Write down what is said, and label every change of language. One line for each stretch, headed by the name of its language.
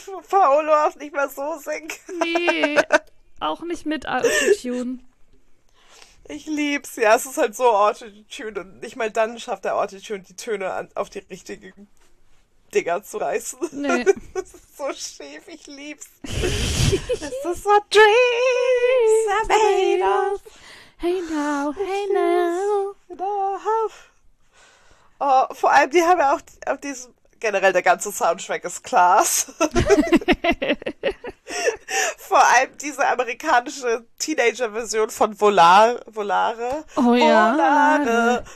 German: Paolo darf nicht mehr so singen. Nee, auch nicht mit Autotune. Ich lieb's, ja, es ist halt so Autotune und nicht mal dann schafft der Autotune die Töne auf die richtigen Dinger zu Nee. reißen. Das ist so schief, ich lieb's.
English: This is what dreams are made of. Hey now, Of hey dreams now. and of.
German: Oh, vor allem, die haben ja auch auf diesem, generell der ganze Soundtrack ist Class. Vor allem diese amerikanische Teenager-Version von Volare. Oh
Italian: Volare.
German: ja,